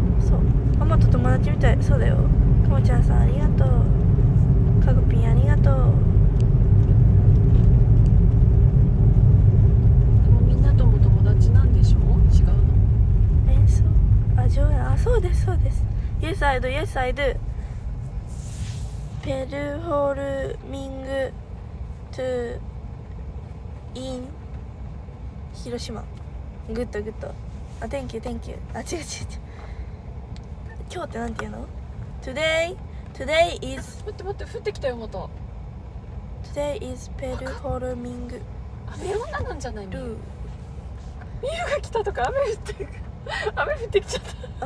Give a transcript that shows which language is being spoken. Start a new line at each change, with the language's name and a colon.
Japanese: そう、ママと友達みたい。そうだよ。くもちゃんさん、ありがとう。カグピンありがとう。でもみんなとも友達なんでしょう？違うの？え、そう。あ、上演。あ、そうです、そうです。
English: Yes, I do, yes, I do. Performing to in 広島。 Good, good. あ、thank you, thank you.
Japanese: あ、違う違う違う。今日ってなんて言うの？
English: Today? Today is…
Japanese: 待って待って、降ってきたよ、また。
English: Today is performing…
Japanese: あ、雨女なんじゃない？ルー。ミユが来たとか雨降ってる。雨降ってきちゃった。